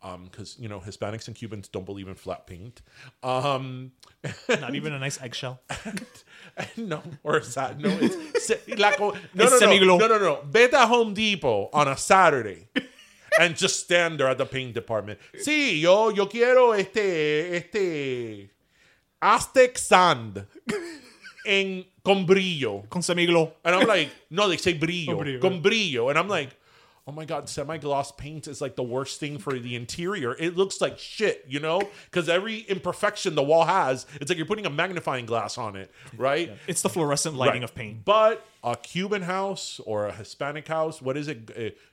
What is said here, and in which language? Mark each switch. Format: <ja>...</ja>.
<en>Because, you know, Hispanics and Cubans don't believe in flat paint. Not even a nice eggshell. No, or is that? No, it's semi-glow. No.</en> <es>Vete a</es> <en>Home Depot on a Saturday and just stand there at the paint department.</en> <es>Sí, yo quiero este Aztec sand en, con brillo. Con semi-glow.</es> <en>And I'm like, no, they say brillo.</en> <es>Con brillo.</es> <en>And I'm like, oh my God, semi-gloss paint is like the worst thing for the interior. It looks like shit, you know? Because every imperfection the wall has, it's like you're putting a magnifying glass on it, right? Yeah. It's the fluorescent lighting right. of paint. But a Cuban house or a Hispanic house, what is it?</en>